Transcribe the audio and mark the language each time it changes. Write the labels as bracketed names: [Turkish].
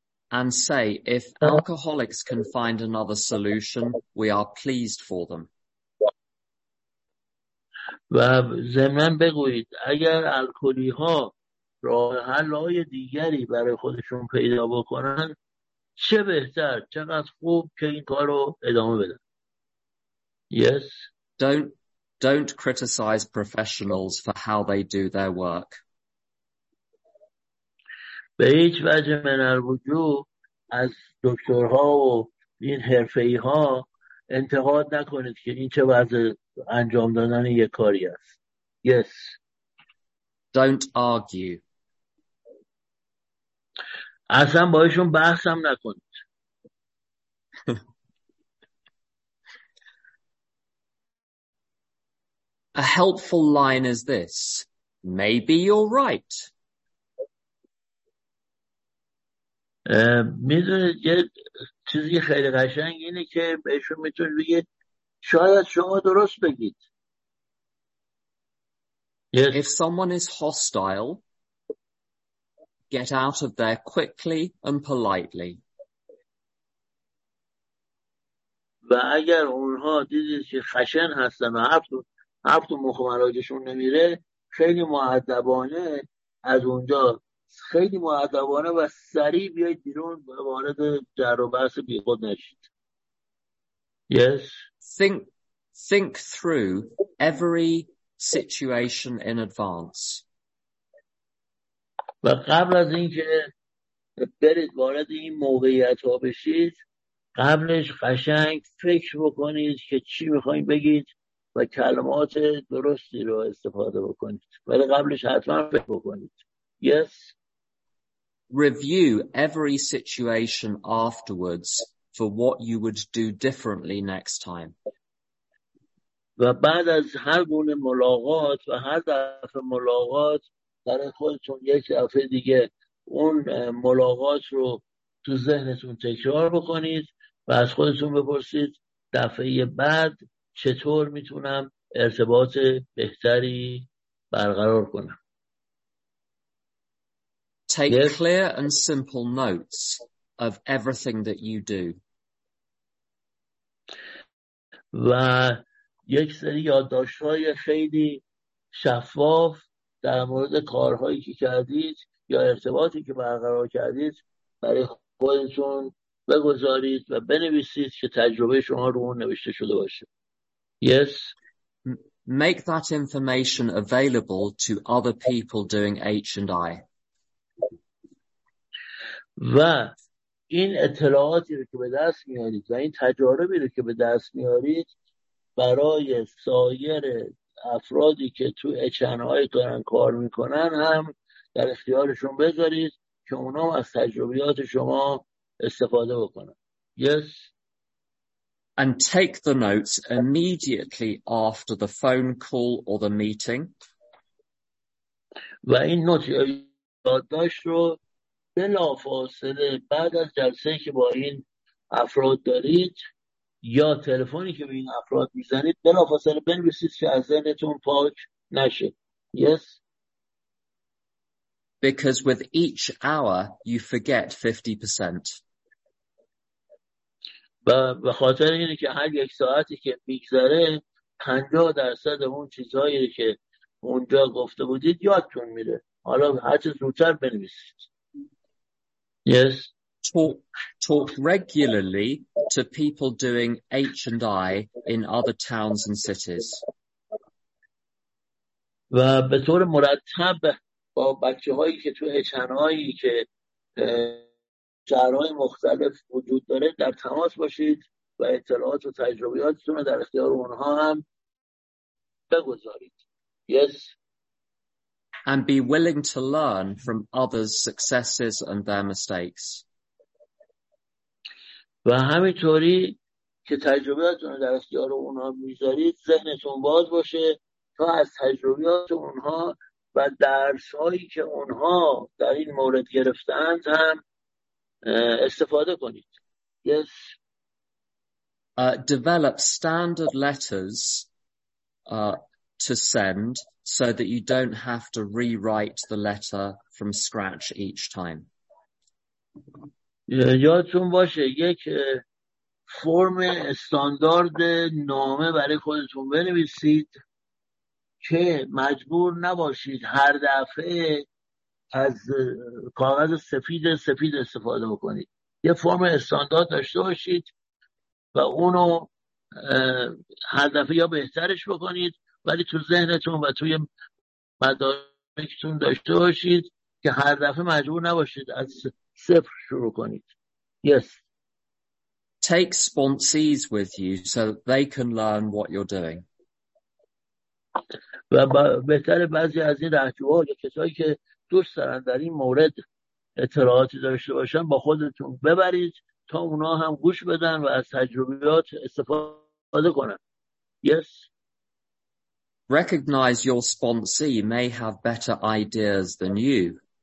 [English] And say if alcoholics can find another solution, we are pleased for them. [Persian] و ضمناً بگویید اگر الکلی ها راه حل‌های دیگری برای خودشون پیدا بکنن چه بهتر، چقدر خوب که این کار رو ادامه بدن. [English] Yes. Don't criticize professionals for how they do their work. [Persian] به هیچ وجه من الوجود از دکترها و این حرفه‌ای‌ها انتقاد نکنید که این چه وضع انجام دادن یک کاری است. [English] Yes. Don't argue. [Persian] اصلا بایشون بحثم نکنید. [English] A helpful line is this. Maybe you're right. [Persian] میدونید یه چیزی خیلی قشنگ اینه که بهشون میتونید بگید شاید شما درست بگید. [English] Yes. If someone is hostile, get out of there quickly and politely. [Persian] و اگر اونها دیدید که خشن هستن و حرف تو مخ مراجعشون نمیره خیلی مؤدبانه از اونجا خیلی مؤدبانه و سریع بیایید بیرون و وارد در و بحث بی خود نشید. [English] Yes. Think through every situation in advance. [Persian] و قبل از اینکه برید وارد این موقعیت ها بشید قبلش قشنگ فکر بکنید که چی میخواییم بگید و کلمات درستی رو استفاده بکنید. ولی قبلش حتما فکر بکنید. [English] Yes. Review every situation afterwards for what you would do differently next time. [Persian] و بعد از هر گونه ملاقات و هر دفعه ملاقات برای خودتون یک دفعه دیگه اون ملاقات رو تو ذهنتون تکرار بکنید و از خودتون بپرسید دفعه بعد چطور میتونم ارتباط بهتری برقرار کنم. [English] Take yes. clear and simple notes of everything that you do. [Persian] و یک سری یادداشت‌های خیلی شفاف در مورد کارهایی که کردید یا ارتباطی که برقرار کردید برای خودتون بگذارید و بنویسید که تجربه شما رو نوشته شده باشه. [English] Yes. Make that information available to other people doing H&I. [Persian] و این اطلاعاتی رو که به دست میارید و این تجاربی رو که به دست میارید برای سایر افرادی که تو اچ‌ان‌آی دارن کار میکنن هم در اختیارشون بذارید که اونا از تجربیات شما استفاده بکنن. [English] Yes. And take the notes immediately after the phone call or the meeting. [Persian] و این نوت یادداشت رو بلا فاصله بعد از جلسه که با این افراد دارید یا تلفنی که به این افراد میزنید بلا فاصله بنویسید که از ذهنتون پاک نشه. [English] Yes. Because with each hour you forget 50%. [Persian] به خاطر اینه که هر یک ساعتی که میگذره 50% اون چیزهایی که اونجا گفته بودید یادتون میره. حالا هر چه زودتر بنویسید. [English] Yes. Talk regularly to people doing H&I in other towns and cities. [Persian] و به طور مرتب با بچه‌هایی که تو اچ‌ان‌آی که شهرهای مختلف وجود داره در تماس باشید و اطلاعات و تجربیاتتون رو در اختیار اونها هم بگذارید. [English] Yes. And be willing to learn from others' successes and their mistakes. [Persian] و همینطوری که تجربیاتتون رو در اختیار اونها میذارید ذهنتون باز باشه تا از تجربیات اونها و درس‌هایی که اونها در این مورد گرفتند هم استفاده کنید. [English] Yes. Develop standard letters to send so that you don't have to rewrite the letter from scratch each time. [Persian] یادتون باشه یک فرم استاندارد نامه برای خودتون بنویسید که مجبور نباشید هر دفعه از کاغذ سفید استفاده بکنید. یه فرم استاندارد داشته باشید و اونو هر دفعه یا بهترش بکنید ولی تو ذهنتون و توی مدارکتون داشته باشید که هر دفعه مجبور نباشید از صفر شروع کنید. [English] Yes. Take sponsees with you so that they can learn what you're doing. [Persian] و بهتر بعضی از این رهجوها یا کسایی که دوست دارن در این مورد اطلاعاتی داشته باشن با خودتون ببرید تا اونا هم گوش بدن و از تجربیات استفاده کنن. [English] Yes. Recognize your sponsee may have better ideas than you.